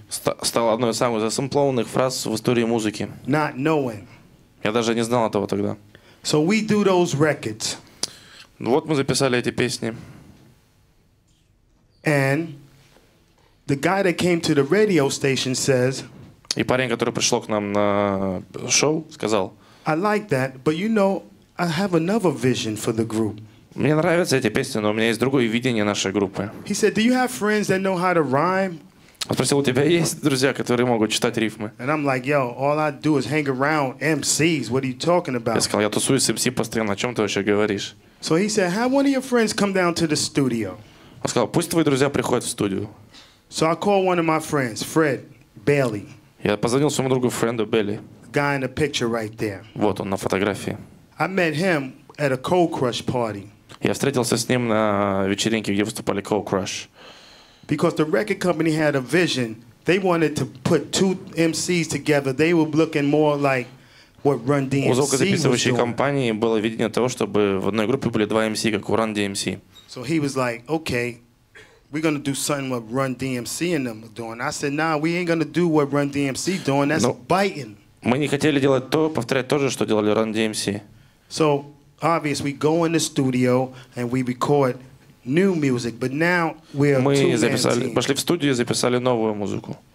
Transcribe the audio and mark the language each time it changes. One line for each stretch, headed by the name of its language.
Russian: Стала одной из самых засэмплованных фраз в истории музыки.
English: Not knowing.
Russian: Я даже не знал этого тогда.
English: So we do those records.
Russian: Вот мы записали эти песни.
English: And the guy that came to the radio station says,
Russian: и парень, который пришел к нам на шоу, сказал,
English: I like that, but you know, I have another vision for the group.
Russian: Мне нравятся эти песни, но у меня есть другое видение нашей группы.
English: He said, do you have friends that know how to rhyme?
Russian: Он спросил, у тебя есть друзья, которые могут читать рифмы?
English: And I'm like, yo, all I do is hang around MCs. What are you talking about?
Russian: Я сказал, я тусуюсь с MC постоянно. О чем ты вообще говоришь?
English: So he said, have one of your friends come down to the studio.
Russian: Он сказал, пусть твои друзья приходят в студию.
English: So I called one of my friends, Fred Bailey.
Russian: Я позвонил своему другу Фреду Бейли.
English: Guy in the picture right there.
Russian: Вот он на фотографии.
English: I met him at a Cold Crush party.
Russian: Я встретился с ним на вечеринке, где выступали Cold Crush.
English: Because the record company had a vision. They wanted to put two MCs together. They were looking more like what Run DMC.
Russian: У звукозаписывающей компании было видение того, чтобы в одной группе были два MC, как у Run DMC.
English: So he was like, okay, we're gonna do something with Run DMC and them doing. I said, nah, we ain't gonna do what Run DMC doing. That's biting.
Russian: Мы не хотели делать то, повторять то же, что делали Run DMC.
English: So obviously we go in the studio and we record new music, but now we are
Russian: пошли в студию и записали новую музыку.